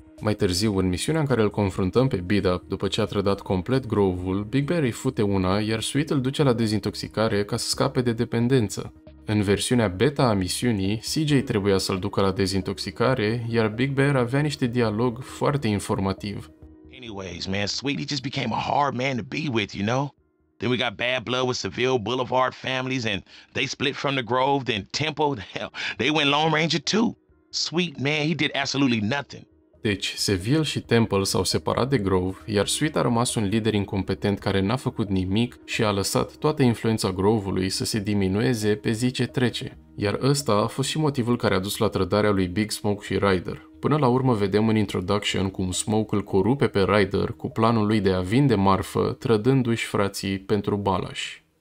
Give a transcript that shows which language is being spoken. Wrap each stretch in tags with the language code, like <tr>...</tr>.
<ro>Mai târziu, în misiunea în care îl confruntăm pe Bidup după ce a trădat complet Grove-ul, Big Bear îi fute una, iar Sweet îl duce la dezintoxicare ca să scape de dependență. În versiunea beta a misiunii, CJ trebuia să-l ducă la dezintoxicare, iar Big Bear avea niște dialog foarte informativ.</ro> <en>Anyways, man, Sweet, he just became a hard man to be with, you know? Then we got bad blood with Seville Boulevard families, and they split from the Grove, then Temple, hell, they went Lone Ranger too. Sweet, man, he did absolutely nothing.</en> <ro>Deci, Seville și Temple s-au separat de Grove, iar Sweet a rămas un lider incompetent care n-a făcut nimic și a lăsat toată influența Grove-ului să se diminueze pe zi ce trece. Iar ăsta a fost și motivul care a dus la trădarea lui Big Smoke și Ryder. Până la urmă vedem în introduction cum Smoke îl corupe pe Ryder cu planul lui de a vinde marfă, trădându-și frații pentru Balaș.</ro>